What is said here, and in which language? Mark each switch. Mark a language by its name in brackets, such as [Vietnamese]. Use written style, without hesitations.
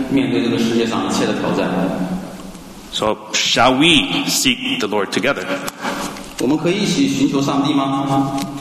[Chinese] 这也就是为什么我们每天都要披戴耶稣基督，面对这个世界上一切的挑战。 [English] So shall we seek the Lord together? [Chinese] 我们可以一起寻求上帝吗？